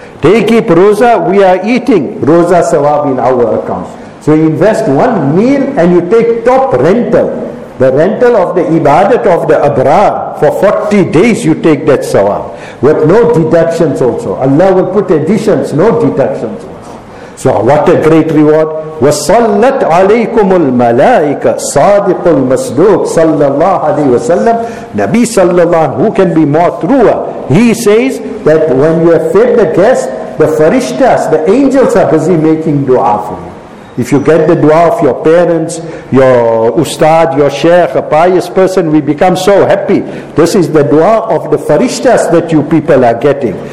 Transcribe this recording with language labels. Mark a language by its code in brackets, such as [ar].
[en] They keep roza, we are eating, roza sawab in our account. So you invest one meal and you take top rental. The rental of the ibadat of the abrar, for 40 days you take that sawab. With no deductions also. Allah will put additions, no deductions also. So what a great reward. [ar] وَصَلَّتْ عَلَيْكُمُ الْمَلَائِكَةِ صَادِقُ الْمَسْدُوقِ صَلَّى اللَّهُ عَلَيْهِ وَسَلَّمْ [en] Nabi sallallahu alayhi, who can be more truer? He says that when you have fed the guest, the farishtas, the angels are busy making dua for you. If you get the dua of your parents, your ustad, your sheikh, a pious person, we become so happy. This is the dua of the farishtas that you people are getting.